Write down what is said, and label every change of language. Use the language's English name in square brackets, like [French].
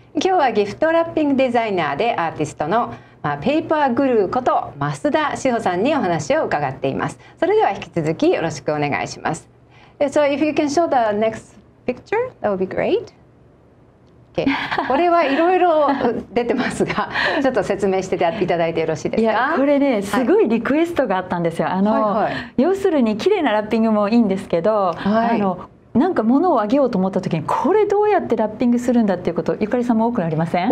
[Japanese] 今日はギフトラッピングデザイナーでアーティストのペーパーグルーこと増田志保さんにお話を伺っています。それでは引き続きよろしくお願いします。 [English] So if you can show the next picture, that would be great. Okay. [Japanese] これはいろいろ出てますがちょっと説明していただいてよろしいですか。いやこれねすごいリクエストがあったんですよ、はい、要するに綺麗なラッピングもいいんですけど、はい、なんか物をあげようと思った時にこれどうやってラッピングするんだっていうことゆかりさんも多くなりません？